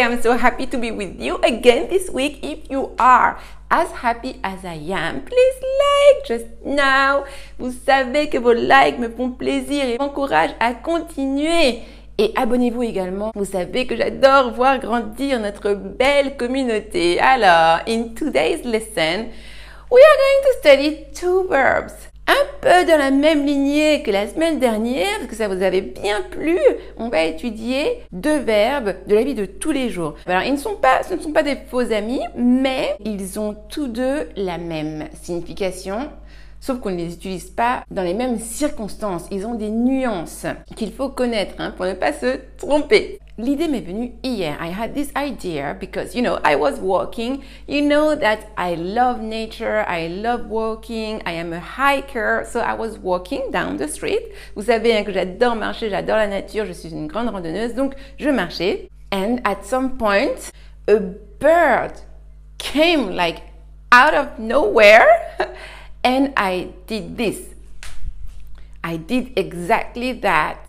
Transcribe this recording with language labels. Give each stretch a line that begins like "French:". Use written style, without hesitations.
English: I'm so happy to be with you again this week. If you are as happy as I am, please like just now.
French: Vous savez que vos likes me font plaisir et m'encouragent à continuer. Et abonnez-vous également. Vous savez que j'adore voir grandir notre belle communauté.
English: Alors, in today's lesson, we are going to study two verbs.
French: Un peu dans la même lignée que la semaine dernière, parce que ça vous avait bien plu, on va étudier deux verbes de la vie de tous les jours. Alors, ce ne sont pas des faux amis, mais ils ont tous deux la même signification, sauf qu'on ne les utilise pas dans les mêmes circonstances. Ils ont des nuances qu'il faut connaître hein, pour ne pas se tromper. L'idée m'est venue hier.
English: I had this idea because, you know, I was walking. You know that I love nature, I love walking, I am a hiker. So I was walking down the street.
French: Vous savez hein, que j'adore marcher, j'adore la nature, je suis une grande randonneuse, donc je marchais.
English: And at some point, a bird came like out of nowhere. And I did this. I did exactly that.